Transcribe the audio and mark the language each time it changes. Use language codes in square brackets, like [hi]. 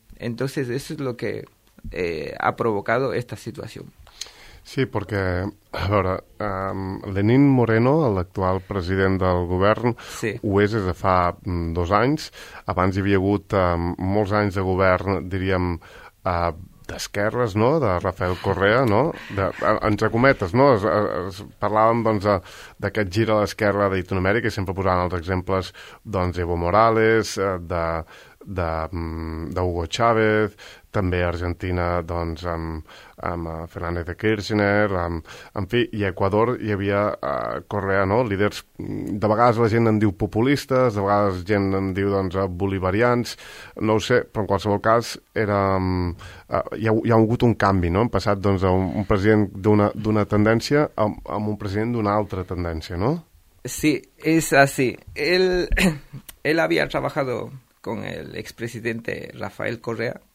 [es] Entonces, eso es lo que ha provocado esta situación. Sí, porque ahora Lenín Moreno, el actual [ca] president del govern, sí, ho és des de fa 2 anys. Abans hi havia hagut molts anys de govern, diríem, d'esquerres, no? De Rafael Correa, no? Entre cometes, no? Parlàvem, doncs, d'aquest gir a l'esquerra de Llatinoamèrica i sempre posàvem els exemples, doncs, Evo Morales, de de Hugo Chávez, també a Argentina, doncs, amb Fernández de Kirchner, amb, en fi, i a Ecuador hi havia Correa, no?, líders, de vegades la gent en diu populistes, de vegades gent en diu, doncs, bolivarians, no ho sé, però en qualsevol cas era, hi ha hagut un canvi, no?, hem passat, doncs, un president d'una tendència amb un president d'una altra tendència, no? Sí, és així. [es] Él [ca] havia treballat [es] con el expresidente Rafael Correa,